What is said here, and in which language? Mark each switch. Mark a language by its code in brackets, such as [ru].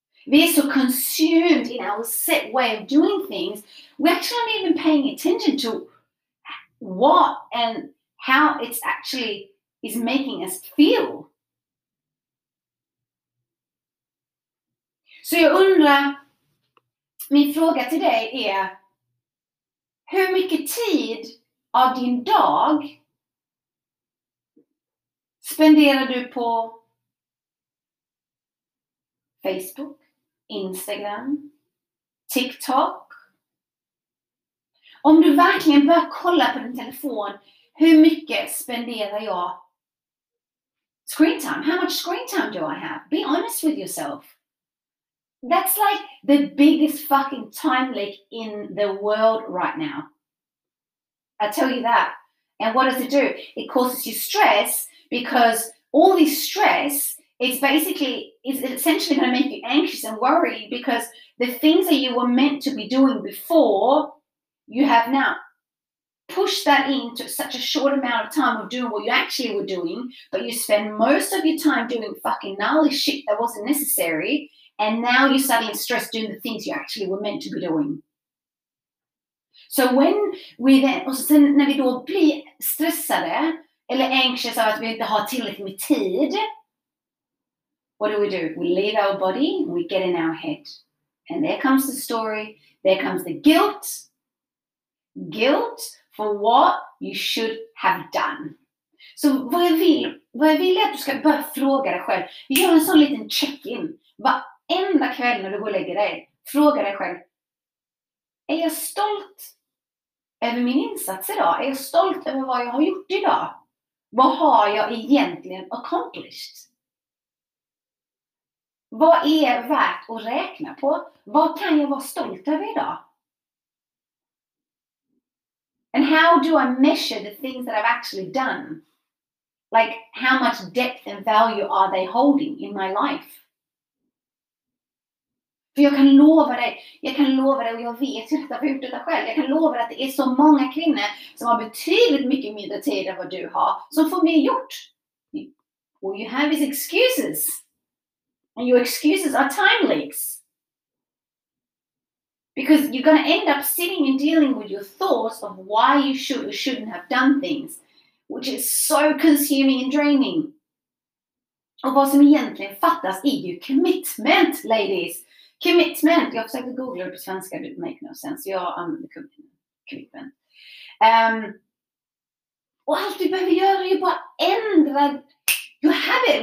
[en] We are so consumed in our set way of doing things, we actually aren't even paying attention to what and how it's actually is making us feel. [sv] Så jag undrar, min fråga till dig är, hur mycket tid av din dag spenderar du på Facebook, Instagram, TikTok? Om du verkligen börjar kolla på din telefon, hur mycket spenderar jag screen time? [en] How much screen time do I have? Be honest with yourself. That's like the biggest fucking time leak in the world right now. I tell you that. And what does it do? It causes you stress, because all this stress it's essentially going to make you anxious and worried, because the things that you were meant to be doing before, you have now pushed that into such a short amount of time of doing what you actually were doing, but you spend most of your time doing fucking gnarly shit that wasn't necessary, and now you're suddenly stressed doing the things you actually were meant to be doing. So when we then, [sv] och sen när vi då blir stressade eller anxious av att vi inte har tillräckligt med tid, [en] what do? We leave our body and we get in our head. And there comes the story, there comes the guilt. Guilt for what you should have done. [sv] Så vad jag vill är att du ska börja fråga dig själv. Vi gör en sån liten check-in. Varenda kväll när du går och lägger dig, fråga dig själv. Är jag stolt över min insats idag? Är jag stolt över vad jag har gjort idag? Vad har jag egentligen accomplished? Vad är värt att räkna på? Vad kan jag vara stolt över idag? [en] And how do I measure the things that I've actually done? Like, how much depth and value are they holding in my life? [sv] För jag kan lova dig, och jag vet hur detta har gjort detta själv. Jag kan lova dig att det är så många kvinnor som har betydligt mycket mindre tid än vad du har, som får mer gjort. [en] All you have is excuses. And your excuses are time leaks. Because you're going to end up sitting and dealing with your thoughts of why you should or shouldn't have done things, which is so consuming and draining. [sv] Och vad som egentligen fattas är ju commitment, ladies. Commitment. Jag försöker googla det på svenska, det [en] make no sense. [sv] Jag använder commitment. Och allt du behöver göra är bara ändra [en] your habit.